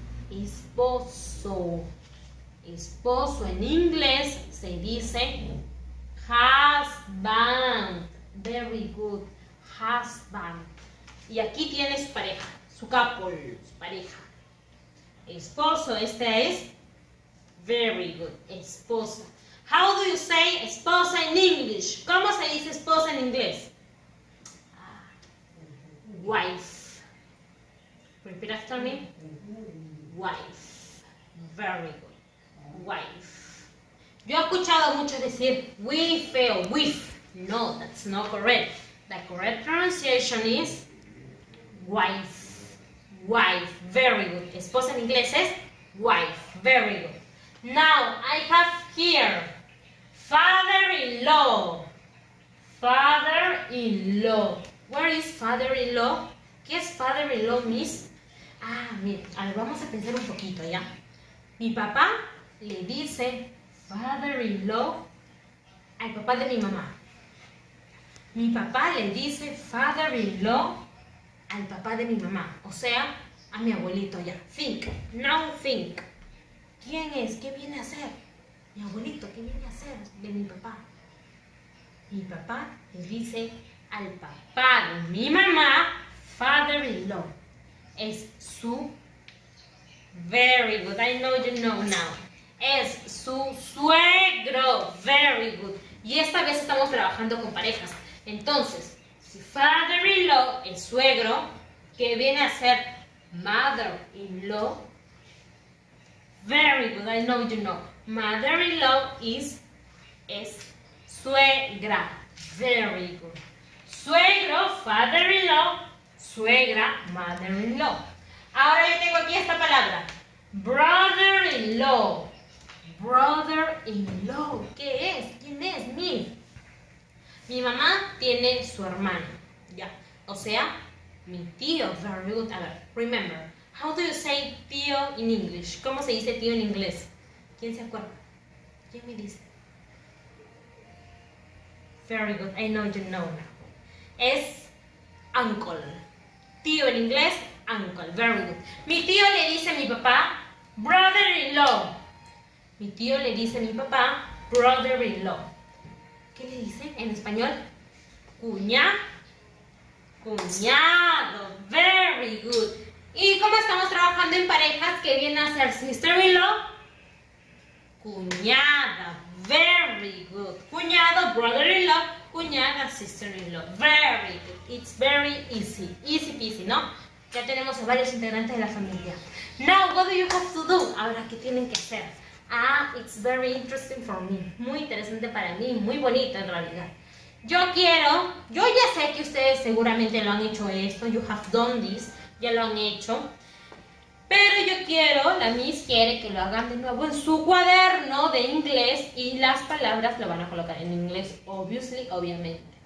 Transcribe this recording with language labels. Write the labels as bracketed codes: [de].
[es] Esposo. Esposo en inglés se dice husband. [en] Very good, husband. [es] Y aquí tienes pareja, su couple, su pareja. Esposo, este es very good, esposa. [en] How do you say esposa in English? [es] ¿Cómo se dice esposa en inglés? [en] Wife. Repeat after me. Wife. Very good, wife. [es] Yo he escuchado mucho decir wife o wife. [en] No, that's not correct. The correct pronunciation is wife. Wife. Very good. [es] Esposa en inglés es wife. [en] Very good. Now, I have here father-in-law. Father-in-law. Where is father-in-law? [es] ¿Qué es father-in-law, miss? Ah, mire, a ver, vamos a pensar un poquito, ¿ya? Mi papá le dice father-in-law al papá de mi mamá. Mi papá le dice father-in-law al papá de mi mamá, o sea, a mi abuelito ya. [en] Think, now think. [es] ¿Quién es? ¿Qué viene a hacer? Mi abuelito, ¿qué viene a hacer de mi papá? Mi papá le dice al papá de mi mamá father-in-law. Es su... [en] Very good, I know you know now. [es] Es su suegro. [en] Very good. [es] Y esta vez estamos trabajando con parejas. Entonces, si father-in-law es suegro, que viene a ser mother-in-law, [en] very good, I know you know, mother-in-law is suegra, very good. [es] Suegro, father-in-law, suegra, mother-in-law. Ahora yo tengo aquí esta palabra, brother-in-law, brother-in-law, ¿qué es? ¿Quién es? Mil. Mi mamá tiene su hermano, ya, o sea, mi tío, very good. A ver, [en] remember, how do you say tío in English? [es] ¿Cómo se dice tío en inglés? ¿Quién se acuerda? ¿Quién me dice? [en] Very good, I know you know now. [es] Es uncle, tío en inglés, uncle, [en] very good. [es] Mi tío le dice a mi papá, brother-in-law. Mi tío le dice a mi papá, brother-in-law. ¿Qué le dice en español? Cuñado. [en] Very good. [es] ¿Y cómo estamos trabajando en parejas? ¿Qué viene a ser sister-in-law? Cuñada. [en] Very good. Cuñado, brother-in-law. Cuñada, sister-in-law. Very good. It's very easy. Easy peasy, ¿no? [es] Ya tenemos a varios integrantes de la familia. [en] Now, what do you have to do? [es] Ahora, ¿qué tienen que hacer? [en] Ah, it's very interesting for me. [es] Muy interesante para mí, muy bonito en realidad. Yo ya sé que ustedes seguramente lo han hecho esto, [en] you have done this, [es] ya lo han hecho. Pero yo quiero, la Miss quiere que lo hagan de nuevo en su cuaderno de inglés y las palabras lo van a colocar en inglés, [en] obviously, [es] obviamente.